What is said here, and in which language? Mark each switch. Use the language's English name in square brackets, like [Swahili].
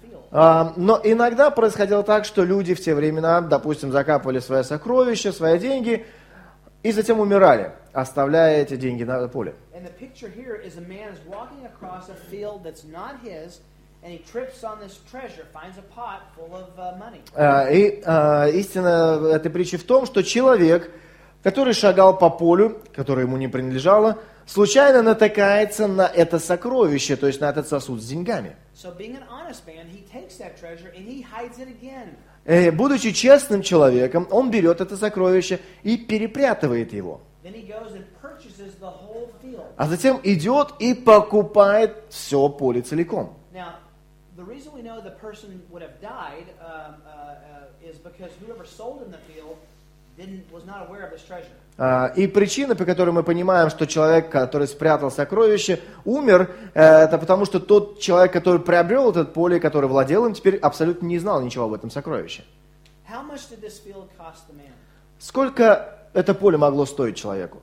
[Russian] Но иногда происходило так, что люди в те времена, допустим, закапывали свои сокровища, свои деньги, и затем умирали, оставляя эти деньги на поле. [English] And the picture here is a man is walking across a field that's not his, and he trips on this treasure, finds a pot full of money. [Russian] Истина этой притчи в том, что человек, который шагал по полю, которое ему не принадлежало, случайно натыкается на это сокровище, то есть на этот сосуд с деньгами. [English] So being an honest man, he takes that treasure and he hides it again. [Russian] Будучи честным человеком, он берет это сокровище и перепрятывает его. [English] Then he goes and purchases the whole field. [Russian] А затем идет и покупает все поле целиком. [English] Now, the reason we know the person would have died is because whoever sold him the field was not aware of his treasure. [Russian] И причина, по которой мы понимаем, что человек, который спрятал сокровище, умер, это потому, что тот человек, который приобрел это поле, который владел им, теперь абсолютно не знал ничего об этом сокровище. [English] How much did this field cost the man? [Russian] Сколько это поле могло стоить человеку?